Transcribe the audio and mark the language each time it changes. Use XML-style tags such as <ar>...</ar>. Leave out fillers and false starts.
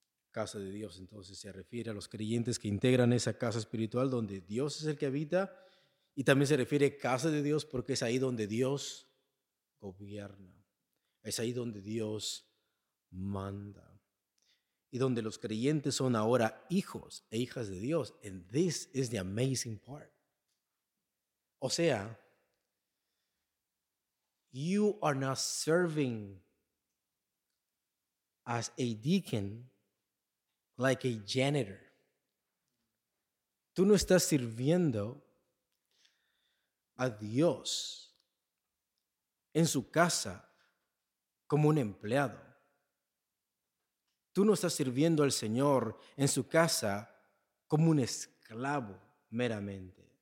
<es>Casa de Dios, entonces, se refiere a los creyentes que integran esa casa espiritual donde Dios es el que habita, y también se refiere a casa de Dios porque es ahí donde Dios gobierna. Es ahí donde Dios manda. Y donde los creyentes son ahora hijos e hijas de Dios.</es> <en>And this is the amazing part.</en> <es>O sea,</es> <en>you are not serving as a deacon like a janitor.</en> <es>Tú no estás sirviendo a Dios en su casa como un empleado. Tú no estás sirviendo al Señor en su casa como un esclavo meramente.</es>